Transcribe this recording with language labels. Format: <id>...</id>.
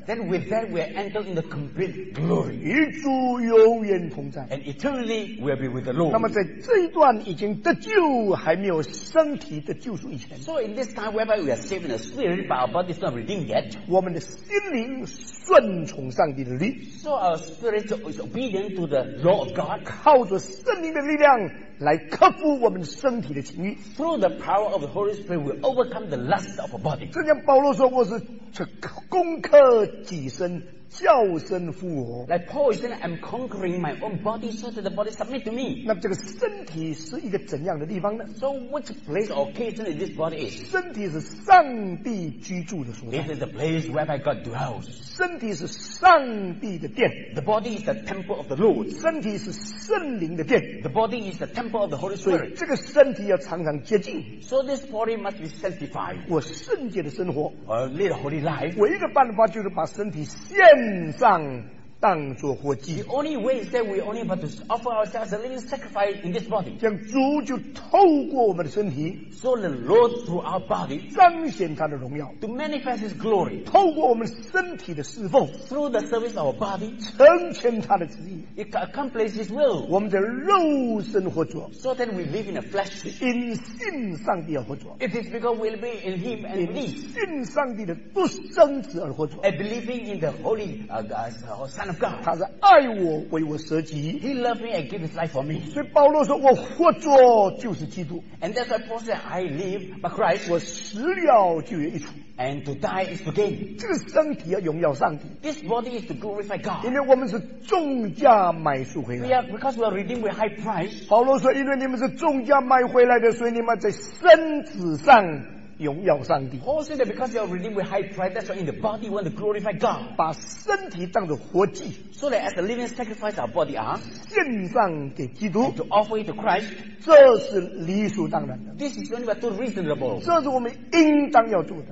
<en>Then with that we enter in the complete glory.</en> <zh>与主永远同在。</zh> <en>And eternally we'll be with the Lord.</en> <zh>那么在这一段已经得救还没有身体的救赎以前，</zh> <en>So in this time whereby we are saved in the spirit but our body is not redeemed yet.</en> <zh>我们的心灵 顺从上帝的律,</zh> <en>so our spirit is obedient to the law of God.</en> <zh>靠着圣灵的力量来克服我们身体的情欲。</zh> <en>Through the power of the Holy Spirit, we overcome the lust of our body.</en> <zh>就像保罗说，我是攻克己身，叫身服我。</zh> <en>Like Paul said, I'm conquering my own body so that the body submit to me.</en> <zh>那这个身体是一个怎样的地方呢？</zh> <en>So which place or occasion is this body is?</en> <zh>身体是上帝居住的所在。</zh> <en>This is the place where my God dwells.</en> <zh>身体是上帝的殿。</zh> <en>The body is the temple of the Lord.</en> <zh>身体是圣灵的殿。</zh> <en>The body is the temple of the Holy Spirit.</en> <zh>所以这个身体要常常洁净。</zh> <en>So this body must be sanctified.</en> <zh>我圣洁的生活。</zh> <en>Or lead a holy life.</en> <zh>唯一的办法就是把身体献上。</zh> <en>The only way is that we only have to offer ourselves a living sacrifice in this body. So the Lord through our body</en> <zh>彰显他的荣耀,</zh> <en>to manifest His glory</en> <zh>透过我们身体的侍奉,</zh> <en>through the service of our body</en> <zh>成全他的旨意,</zh> <en>it accomplishes His will</en> <zh>我们的肉身活着,</zh> <en>so that we live in a flesh. It is because we live in Him and in live</en> <zh>信上帝的独生子而活着,</zh> <en>and believing in the Holy Son of God.</en> <zh>他是爱我，为我舍己。</zh> <en>He loved me and gave his life for me.</en> <zh>所以保罗说，我活着就是基督。</zh> <en>And that's why Paul said, I live but Christ.</en> <zh>我死了就有益处。</zh> <en>And to die is to gain.</en> <zh>这个身体要荣耀上帝。</zh> <en>This body is to glorify God.</en> <zh>因为我们是重价买赎回来。</zh> <en>We are because we are redeemed with high price.</en> <zh>保罗说，因为你们是重价买回来的，所以你们在身体上。荣耀上帝。</zh> <en>Paul said that because you are redeemed with high pride, that's why in the body want to glorify God.</en> <zh>把身体当作活祭,</zh> <en>so that as a living sacrifice our body are</en> <zh>献上给基督,</zh> <en>to offer it to Christ.</en> <zh>这是理所当然的。</zh> <en>This is only but too reasonable.</en> <zh>这是我们应当要做的。</zh>